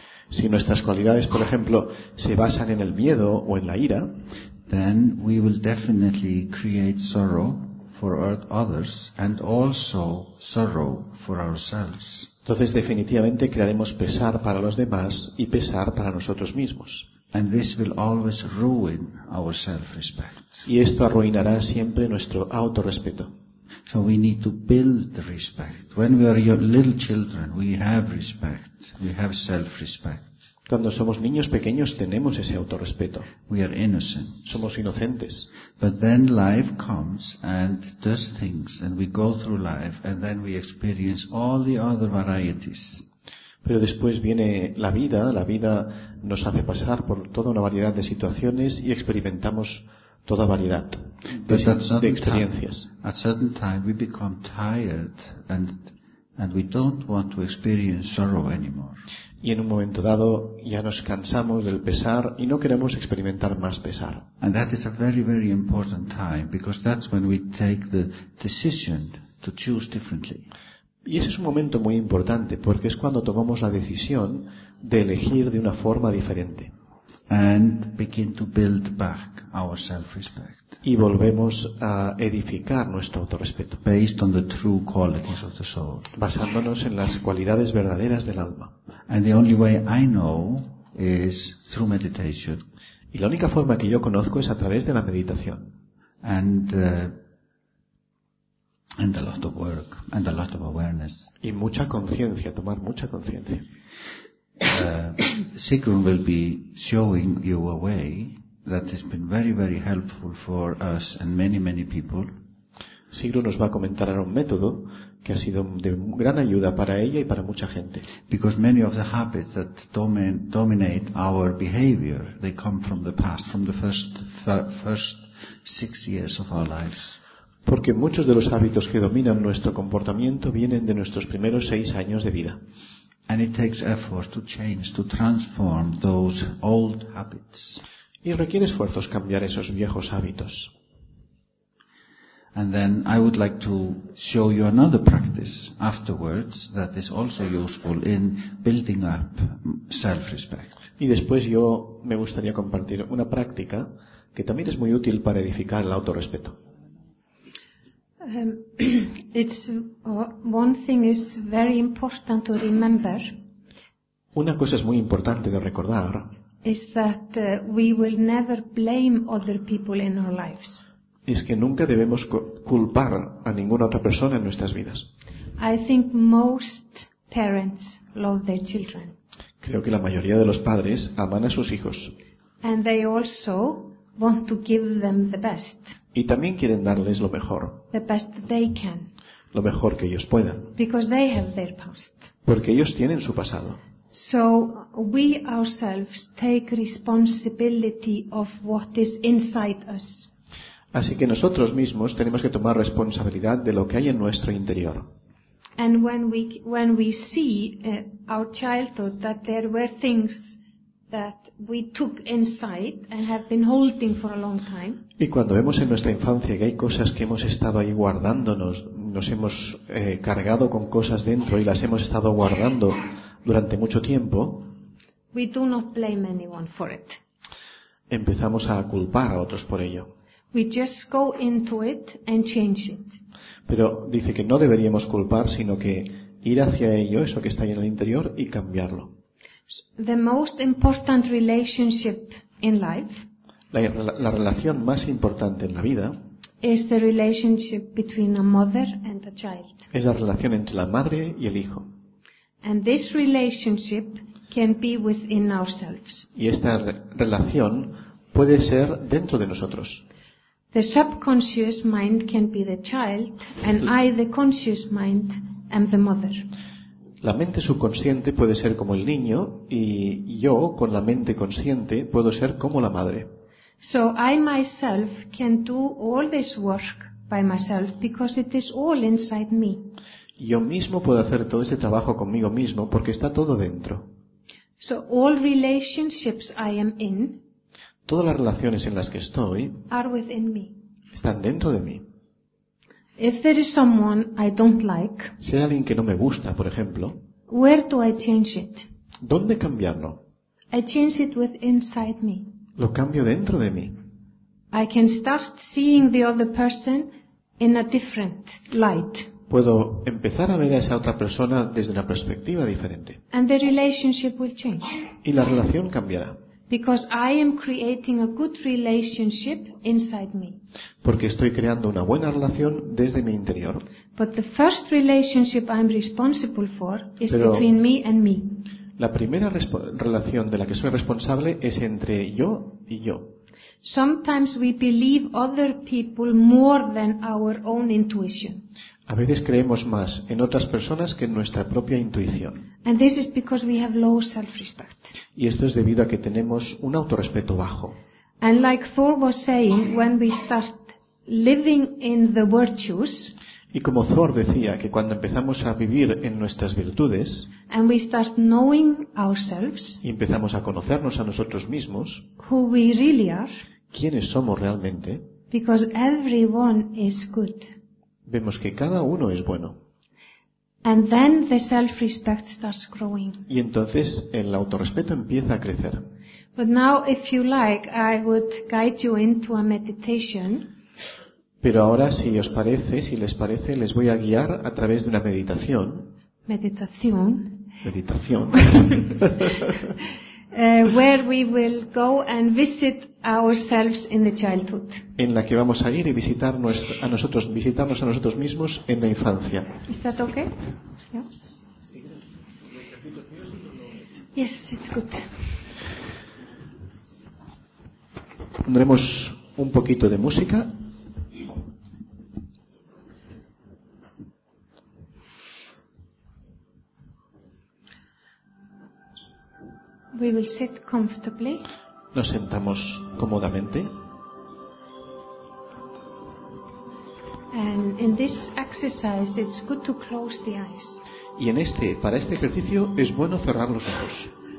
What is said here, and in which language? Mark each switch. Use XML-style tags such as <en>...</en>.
<es>si nuestras cualidades, por ejemplo, se basan en el miedo o en la ira,</es> <en>then we will definitely create sorrow for others and also sorrow for ourselves.</en> <es>Entonces definitivamente crearemos pesar para los demás y pesar para nosotros mismos.</es> <en>And this will always ruin our self-respect.</en> <es>Y esto arruinará siempre nuestro autorrespeto.</es> <en>So we need to build respect. When we are little children, we have respect. We have self-respect.</en> <es>Cuando somos niños pequeños tenemos ese autorrespeto.</es> <en>We are innocent.</en> <es>Somos inocentes.</es> <en>But then life comes and does things, and we go through life, and then we experience all the other varieties.</en> <es>Pero después viene la vida nos hace pasar por toda una variedad de situaciones y experimentamos toda variedad de experiencias.</es> <en>At a certain time we become tired and we don't want to experience sorrow anymore.</en> <es>Y en un momento dado ya nos cansamos del pesar y no queremos experimentar más pesar.</es> <en>And that is a very, very important time, because that's when we take the decision to choose differently.</en> <es>Y ese es un momento muy importante, porque es cuando tomamos la decisión de elegir de una forma diferente.</es> <en>And begin to build back our self-respect.</en> <es>Y volvemos a edificar nuestro autorrespeto.</es> <en>Based on the true qualities of the soul.</en> <es>Basándonos en las cualidades verdaderas del alma.</es> <en>And the only way I know is through meditation.</en> <es>Y la única forma que yo conozco es a través de la meditación.</es> <en>And a lot of work, and a lot of awareness.</en> <es>Y mucha conciencia, tomar mucha conciencia.</es> <en>Sigrun will be showing you a way that has been very, very helpful for us and many, many people.</en> <es>Sigrun nos va a comentar ahora un método que ha sido de gran ayuda para ella y para mucha gente.</es> <en>Because many of the habits that dominate our behavior, they come from the past, from the first 6 years of our lives.</en> <es>Porque muchos de los hábitos que dominan nuestro comportamiento vienen de nuestros primeros 6 años de vida.</es> <en>And it takes effort to change, to transform those old habits.</en> <es>Y requiere esfuerzos cambiar esos viejos hábitos.</es> <en>And then I would like to show you another practice afterwards that is also useful in building up self-respect.</en> <es>Y después yo me gustaría compartir una práctica que también es muy útil para edificar el autorrespeto.</es> <en>It's one thing is very important to remember.</en> <es>Una cosa es muy importante de recordar.</es> <en>Is that we will never blame other people in our lives.</en> <es>Es que nunca debemos culpar a ninguna otra persona en nuestras vidas.</es> <en>I think most parents love their children.</en> <es>Creo que la mayoría de los padres aman a sus hijos.</es> <en>And they also want to give them the best.</en> <es>Y también quieren darles lo mejor.</es> <en>The best they can.</en> <es>Lo mejor que ellos puedan.</es> <en>Because they have their past.</en> <es>Porque ellos tienen su pasado.</es> <en>So we ourselves take responsibility of what is inside us.</en> <es>Así que nosotros mismos tenemos que tomar responsabilidad de lo que hay en nuestro interior.</es> <en>And when we see our childhood that there were things that we took inside and have been holding for a long time.</en> <es>Y cuando vemos en nuestra infancia que hay cosas que hemos estado ahí guardándonos, nos hemos cargado con cosas dentro y las hemos estado guardando durante mucho tiempo,</es> <en>we do not blame anyone for it.</en> <es>Empezamos a culpar a otros por ello.</es> <en>We just go into it and change it.</en> <es>Pero dice que no deberíamos culpar, sino que ir hacia ello, eso que está ahí en el interior, y cambiarlo.</es> <en>The most important relationship in life,</en> <es>la relación más importante en la vida,</es> <en>is the relationship between a mother and a child.</en> <es>Es la relación entre la madre y el hijo.</es> <en>And this relationship can be within ourselves.</en> <es>Y esta relación puede ser dentro de nosotros.</es> <en>The subconscious mind can be the child, and I, the conscious mind, am the mother.</en> <es>La mente subconsciente puede ser como el niño, y yo, con la mente consciente, puedo ser como la madre.</es> <en>So I myself can do all this work by myself because it is all inside me.</en> <es>Yo mismo puedo hacer todo ese trabajo conmigo mismo porque está todo dentro.</es> <en>So all relationships I am in,</en> <es>todas las relaciones en las que estoy,</es> <en>are within me.</en> <es>Están dentro de mí.</es> <en>If there is someone I don't like,</en> <es>si hay alguien que no me gusta, por ejemplo,</es> <en>where do I change it?</en> <es>¿Dónde cambiarlo?</es> <en>I change it with inside me.</en> <es>Lo cambio dentro de mí.</es> <en>I can start seeing the other person in a different light.</en> <es>Puedo empezar a ver a esa otra persona desde una perspectiva diferente.</es> <en>And the relationship will change.</en> <es>Y la relación cambiará.</es> <en>Because I am creating a good relationship inside me.</en> <es>Porque estoy creando una buena relación desde mi interior.</es> <en>But the first relationship I'm responsible for is between me and me.</en> <es>La primera relación de la que soy responsable es entre yo y yo.</es> <en>Sometimes we believe other people more than our own intuition.</en> <es>A veces creemos más en otras personas que en nuestra propia intuición.</es> <en>And this is because we have low self-respect.</en> <es>Y esto es debido a que tenemos un autorrespeto bajo.</es> <en>And like Thor was saying, when we start living in the virtues,</en> <es>y como Thor decía, que cuando empezamos a vivir en nuestras virtudes,</es> <en>and we start knowing ourselves,</en> <es>y empezamos a conocernos a nosotros mismos,</es> <en>who we really are,</en> <es>quiénes somos realmente,</es> <en>because everyone is good,</en> <es>vemos que cada uno es bueno.</es> <en>And then the self-respect starts growing.</en> <es>Y entonces el autorrespeto empieza a crecer.</es> <en>But now, if you like, I would guide you into a meditation.</en> <es>Pero ahora, si os parece, si les parece, les voy a guiar a través de una meditación. Meditación. Meditación.</es> <en>Where we will go and visit ourselves in the childhood.</en> <es>En la que vamos a ir y visitar visitarnos a nosotros mismos en la infancia.</es> <en>Is that okay? Yeah. Yes, it's good.</en> <es>Pondremos un poquito de música.</es> <en>We will sit comfortably.</en> <es>Nos sentamos cómodamente.</es> <en>And in this exercise, it's good to close the eyes.</en> <es>Y en para este ejercicio es bueno cerrar los ojos.</es>